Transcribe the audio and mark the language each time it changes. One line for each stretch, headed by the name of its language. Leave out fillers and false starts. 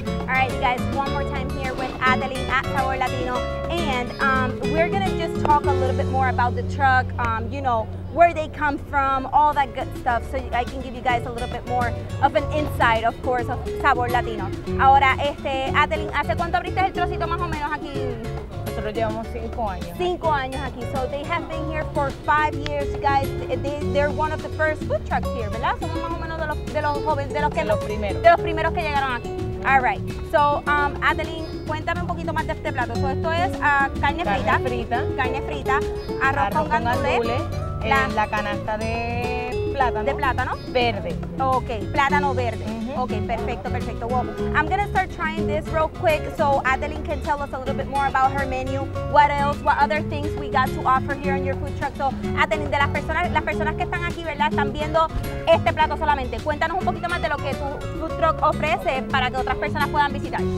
English: All right, you guys, one more time here with Athelene at Sabor Latino. And we're gonna just talk a little bit more about the truck, you know, where they come from, all that good stuff, so I can give you guys a little bit more of an insight, of course, of Sabor Latino.
Spanish: Ahora, Athelene, ¿hace cuánto abriste el trocito más o menos aquí? Nosotros llevamos 5 años. 5 años aquí.
English: So they have been here for 5 years, guys. They're one of the first food trucks here,
Spanish: ¿verdad? Son más o menos de los primeros. De los primeros que llegaron aquí. All right, so Athelene, cuéntame un poquito más de este plato. So esto es carne frita, arroz con gandules, la canasta de plátano. De plátano. Verde. Okay, plátano verde. Mm-hmm. Okay, perfecto, perfecto.
English: Well, I'm gonna start trying this real quick so Athelene can tell us a little bit more about her menu, what else, what other things we got to offer here in your food truck.
Spanish: So Athelene, de las personas que están aquí, ¿verdad? Están viendo este plato solamente. Cuéntanos un poquito más de lo que tu food truck ofrece para que otras personas puedan visitar.